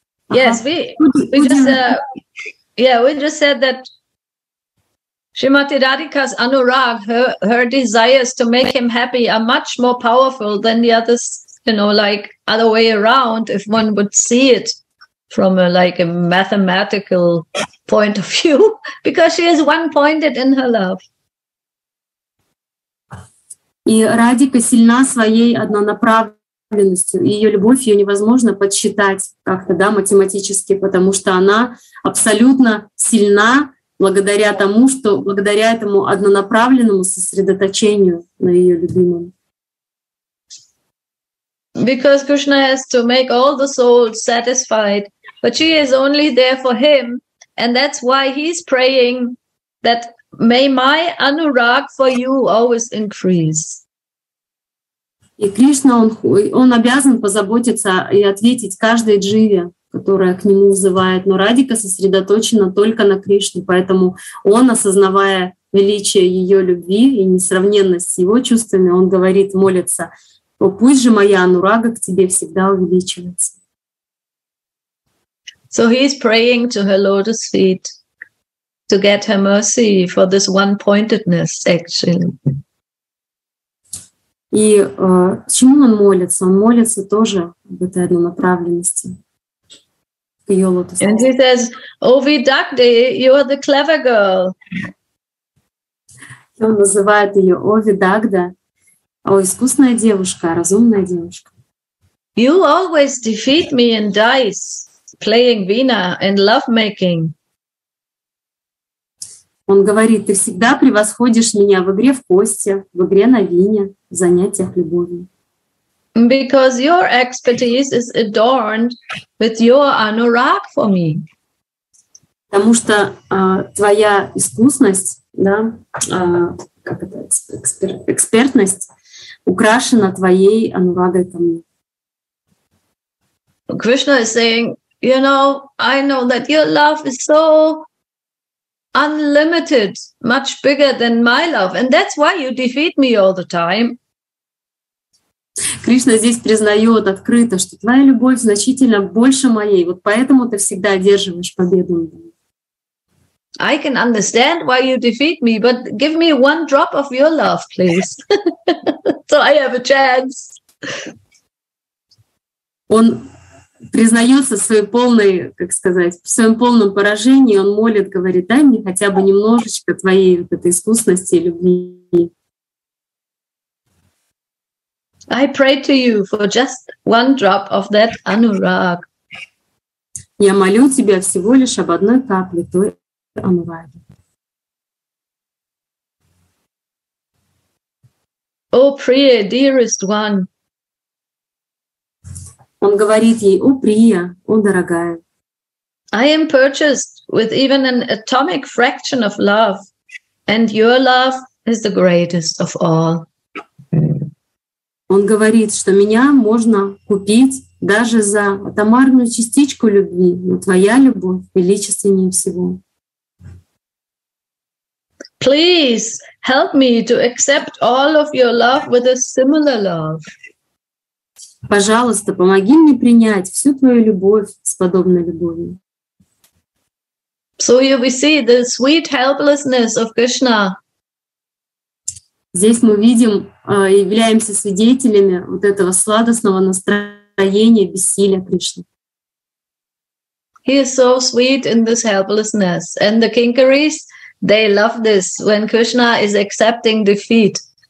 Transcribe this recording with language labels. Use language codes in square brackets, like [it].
[en] Yes, we just said that Srimati Radhika's anurag, her desires to make him happy are much more powerful than the others, you know, like other way around, if one would see it from a mathematical point of view, because she is one-pointed in her love. [ru] И Радика сильна своей однонаправленностью. Ее любовь, ее невозможно подсчитать как-то, да, математически, потому что она абсолютно сильна благодаря тому, что благодаря этому однонаправленному сосредоточению на ее любимом. [en] Because Krishna has to make all the souls satisfied, but she is only there for him, and that's why he's praying that may my anurag for you always increase. [ru] И Кришна, он обязан позаботиться и ответить каждой дживе, которая к нему взывает. Но Радика сосредоточена только на Кришне, поэтому он, осознавая величие ее любви и несравненность с его чувствами, он говорит, молится, «О, пусть же моя анурага к тебе всегда увеличивается». [en] So he is praying to her lotus feet to get her mercy for this one-pointedness, actually. [ru] И чему он молится? Он молится тоже об этой однонаправленности. [en] And he says, "O Vidakde, you are the clever girl." [ru] И он называет ее «О, Видагда», «О, искусная девушка», «Разумная девушка». [en] You always defeat me in dice, playing vina and lovemaking. [ru] Он говорит, ты всегда превосходишь меня в игре в кости, в игре на вине, в занятиях любовью. [en] Because your expertise is adorned with your anurag for me. [ru] Потому что твоя искусность, да, как это, экспертность, украшена твоей анурагой ко мне. [en] Krishna is saying, you know, I know that your love is so unlimited, much bigger than my love. And that's why you defeat me all the time. [ru] Кришна здесь признает открыто, что твоя любовь значительно больше моей. Вот поэтому ты всегда одерживаешь победу. [en] I can understand why you defeat me, but give me one drop of your love, please. So I have a chance. [ru] Он признается в своей полной, как сказать, в своем полном поражении, он молит, говорит, дай мне хотя бы немножечко твоей вот этой искусности и любви. [en] I pray to you for just one drop of that anurag. [ru] Я молю тебя всего лишь об одной капле той анураги. [en] О, Прия, dearest one. [ru] Он говорит ей: О, Прия, о, дорогая. [en] I am purchased with even an atomic fraction of love, and your love is the greatest of all. [ru] Он говорит, что меня можно купить даже за атомарную частичку любви, но твоя любовь величественнее всего. [en] Please help me to accept all of your love with a similar love. [ru] Пожалуйста, помоги мне принять всю твою любовь с подобной любовью. [en] So here we see the sweet helplessness of Krishna. [ru] Здесь мы видим, являемся свидетелями вот этого сладостного настроения, бессилия Кришны. [en] He is so sweet in this helplessness. And the kinkaris, they love this when Krishna is accepting defeat.